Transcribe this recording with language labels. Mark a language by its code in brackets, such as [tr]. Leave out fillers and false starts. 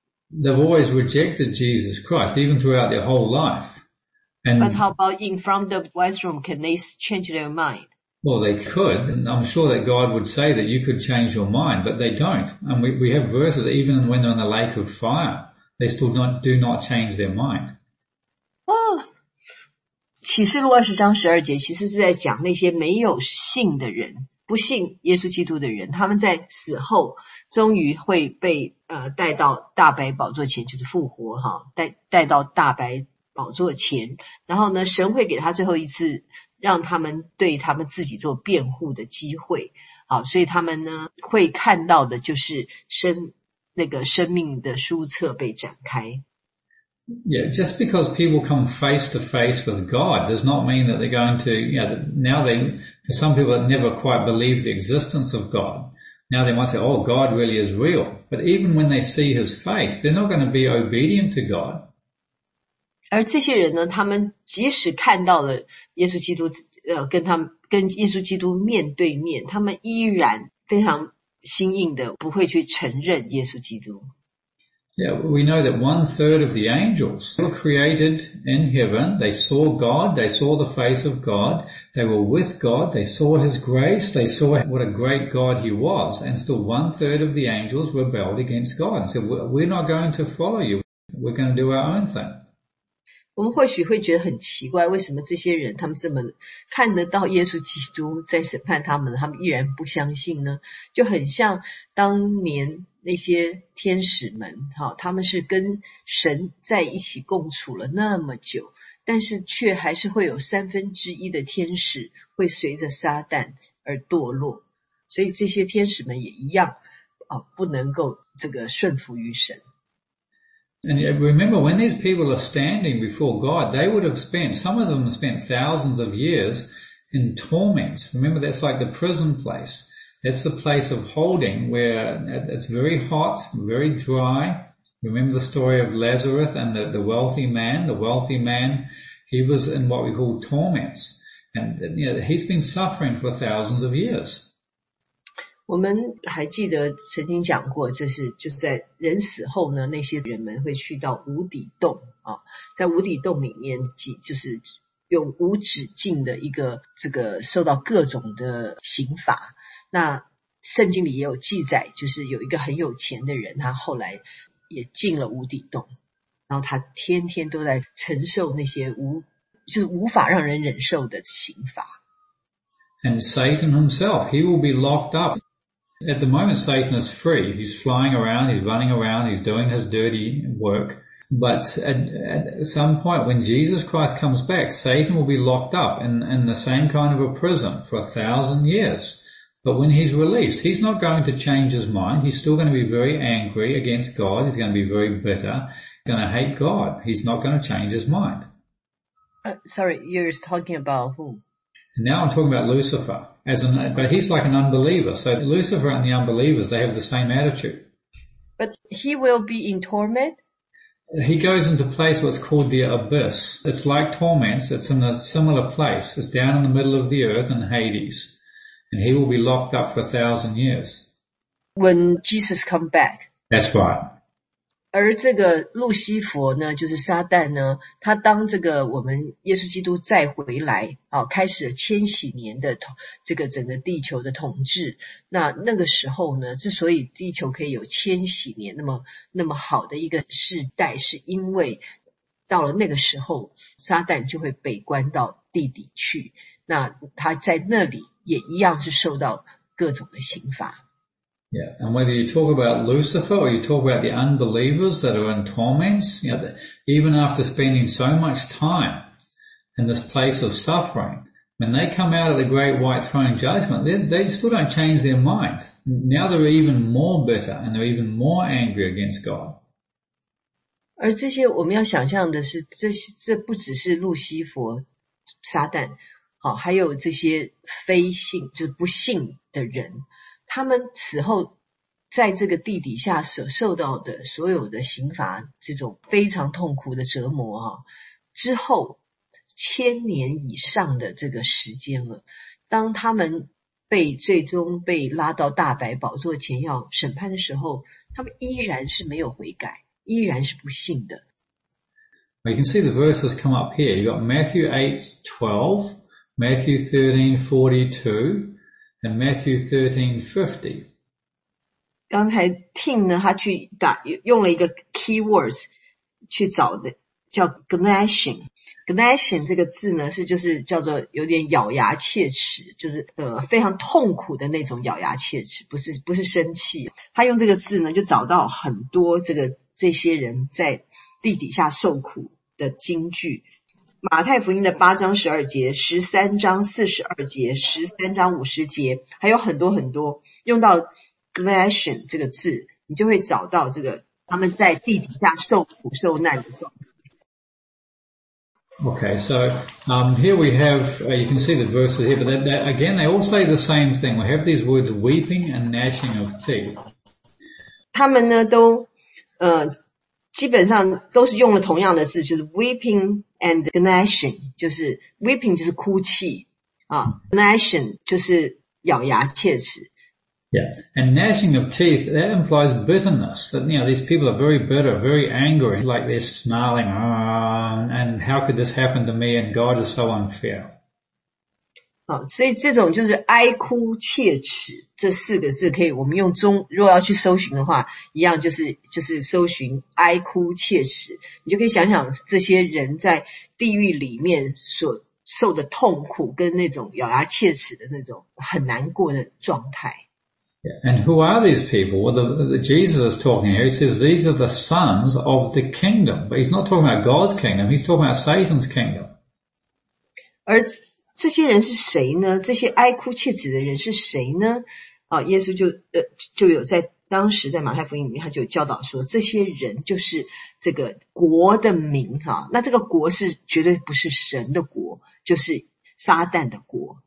[en] They've always rejected Jesus Christ, even throughout their whole life. But how about in front of the white room, can they change their mind? Well, they could. And I'm sure that God would say that you could change your mind, but they don't. And we have verses, even when they're in the lake of fire, they still do not change their mind. [zh] 启示录20章12节 其实是在讲那些没有信的人不信耶稣基督的人他们在死后终于会被带到大白宝座前就是复活带到大白宝座前然后呢神会给他最后一次让他们对他们自己做辩护的机会所以他们呢会看到的就是生命的书册被展开 [en] Yeah, just because people come face to face with God does not mean that they're going to, for some people that never quite believe the existence of God, now they might say, oh, God really is real. But even when they see his face, they're not going to be obedient to God. [zh] 而这些人呢,他们即使看到了耶稣基督,跟耶稣基督面对面,他们依然非常心硬的不会去承认耶稣基督。 [en] Yeah, we know that 1/3 of the angels were created in heaven. They saw God. They saw the face of God. They were with God. They saw his grace. They saw what a great God he was. And still 1/3 of the angels rebelled against God. And said, we're not going to follow you. We're going to do our own thing. [zh] 我们或许会觉得很奇怪，为什么这些人他们这么看得到耶稣基督在审判他们，他们依然不相信呢？就很像当年那些天使们，他们是跟神在一起共处了那么久，但是却还是会有三分之一的天使会随着撒旦而堕落，所以这些天使们也一样，不能够这个顺服于神。 [en] And remember, when these people are standing before God, they would have spent, some of them have spent thousands of years in torments. Remember, that's like the prison place. That's the place of holding where it's very hot, very dry. Remember the story of Lazarus and the wealthy man? The wealthy man, he was in what we call torments. And he's been suffering for thousands of years. [zh] 我们还记得曾经讲过就是在人死后呢那些人们会去到无底洞在无底洞里面就是用无止境的一个这个受到各种的刑罚那圣经里也有记载就是有一个很有钱的人他后来也进了无底洞然后他天天都在承受那些无法让人忍受的刑罚 [en] And Satan himself, he will be locked upAt the moment, Satan is free. He's flying around, he's running around, he's doing his dirty work. But at some point, when Jesus Christ comes back, Satan will be locked up in the same kind of a prison for 1,000 years. But when he's released, he's not going to change his mind. He's still going to be very angry against God. He's going to be very bitter. He's going to hate God. He's not going to change his mind. Sorry, you're talking about who? And now I'm talking about Lucifer. But he's like an unbeliever. So Lucifer and the unbelievers, they have the same attitude. But he will be in torment? He goes into a place what's called the abyss. It's like torments. It's in a similar place. It's down in the middle of the earth in Hades. And he will be locked up for 1,000 years. When Jesus comes back. That's right. [zh] 而这个路西佛呢就是撒旦呢他当这个我们耶稣基督再回来开始了千禧年的这个整个地球的统治那个时候呢之所以地球可以有千禧年那么好的一个世代是因为到了那个时候撒旦就会被关到地底去那他在那里也一样是受到各种的刑罚 [en] Yeah, and whether you talk about Lucifer or you talk about the unbelievers that are in torments, even after spending so much time in this place of suffering, When they come out of the great white throne judgment, they still don't change their mind. Now they're even more bitter and they're even more angry against God. [zh] 而这些我们要想象的是 这不只是路西佛撒旦好还有这些非信就是不信的人他们此后在这个地底下所受到的所有的刑罚这种非常痛苦的折磨之后千年以上的这个时间了当他们被最终被拉到大白宝座前要审判的时候他们依然是没有悔改依然是不信的 [en] You can see the verses come up here. You've got Matthew 8:12, Matthew 13:42, and Matthew 13:50. [zh] 刚才 Tim 呢他去打用了一个 keywords 去找的叫 gnashing。 gnashing 这个字呢是就是叫做有点咬牙切齿就是非常痛苦的那种咬牙切齿不是生气。他用这个字呢就找到很多这些人在地底下受苦的金句。马太福音的8章12节 ,13 章42节 ,13 章50节还有很多很多用到 gnashing 这个字你就会找到这个他们在地底下受苦受难的状况。 [en] Okay, so, here we have, you can see the verses here, but they, again, they all say the same thing. We have these words, weeping and gnashing of teeth. [zh] 他们呢都基本上都是用了同样的字就是 [en] weeping and gnashing, [zh] 就是 weeping 就是哭泣啊 ,gnashing 就是咬牙切齿。 [en] Yeah, and gnashing of teeth, that implies bitterness, that, you know, these people are very bitter, very angry, like they're snarling, and how could this happen to me, and God is so unfair. [zh] 所以这种就是哀哭切齿这四个字可以我们用中如果要去搜寻的话一样就是搜寻哀哭切齿你就可以想想这些人在地狱里面所受的痛苦跟那种咬牙切齿的那种很难过的状态。 [en] Yeah. And who are these people? Well, Jesus is talking here. He says these are the sons of the kingdom. But he's not talking about God's kingdom. He's talking about Satan's kingdom. [zh] 而这些人是谁呢？这些哀哭切齿的人是谁呢？耶稣就有在当时在马太福音里面，他就有教导说，这些人就是这个国的民哈。那这个国是绝对不是神的国，就是撒旦的国。